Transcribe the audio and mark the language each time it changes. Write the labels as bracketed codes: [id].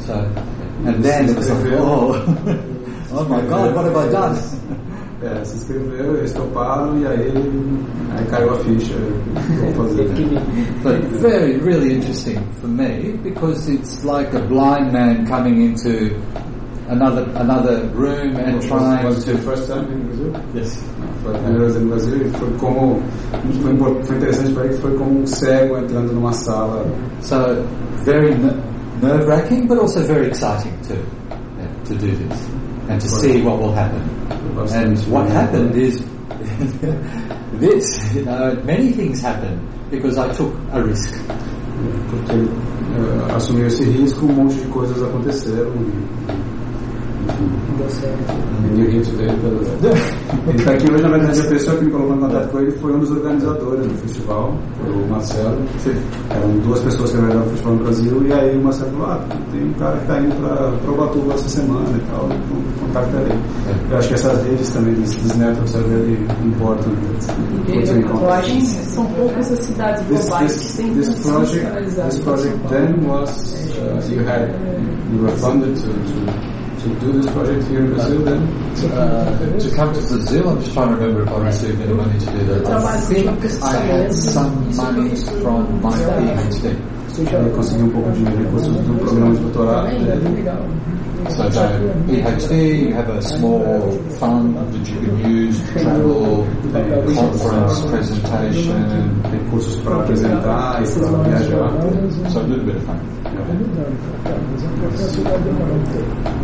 [en] So, and then it was like, oh my God, what have I done? [pt] É, se inscreveu, eles toparam e aí caiu a ficha. Vou fazer. [en] But very, really interesting for me because it's like a blind man coming into another room and trying. Was it your first time in Brazil? Yes. [pt] Primeira vez em Brasil, foi como foi interessante para ele, foi como um cego entrando numa sala. [en] So very nerve-wracking, but also very exciting too, yeah, to do this and to see what will happen. And what happened is this, you know, many things happened because I took a risk. [pt] Porque assumi esse risco, um monte de coisas aconteceram. Ele está aqui hoje, na verdade, a pessoa que me colocou em contato com ele foi um dos organizadores do festival, foi o Marcelo. Sim. Eram duas pessoas que organizaram o festival no Brasil, e aí o Marcelo falou: ah, tem um cara que está indo para o Ubatuba essa semana e tal, contacta ele. Eu acho que essas redes também, esses networks ali, importam. Eu acho que são poucas as cidades globais que têm [en] this project then was, you were funded to do this project here in Brazil, then? To come to Brazil, I'm just trying to remember if I received any money to do that. I think I had some money from my PhD. [pt] Eu consegui um pouco de recursos do programa de doutorado. [en] So, PhD, you have a small fund that you can use to travel, conference, presentation. [pt] Recursos para apresentar e para viajar. [en] So, a little bit of fun. Yeah.